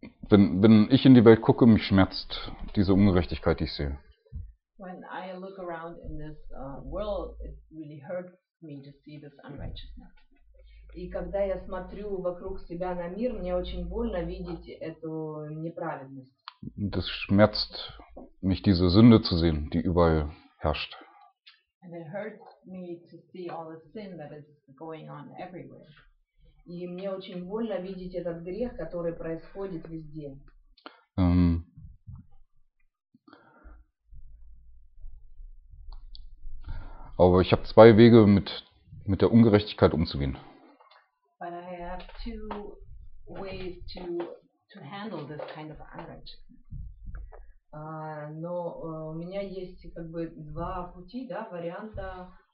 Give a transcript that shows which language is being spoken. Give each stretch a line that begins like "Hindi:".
German: Wenn ich in die Welt gucke, mich schmerzt diese Ungerechtigkeit, die ich sehe.
English: When I look around in this world, it really hurts me to see this unrighteousness.
Russian: И когда я смотрю вокруг себя на мир, мне очень больно видеть эту неправедность.
German: Das schmerzt mich, diese Sünde zu sehen, die überall herrscht.
English: And it hurts me to see all the sin that is going on everywhere.
Russian: И мне очень больно видеть этот грех, который происходит везде.
German: Aber ich habe zwei Wege, mit der Ungerechtigkeit umzugehen.
English: But I have two ways to handle this kind of unrighteousness.
Russian: Но у меня есть как бы два пути, да, варианта.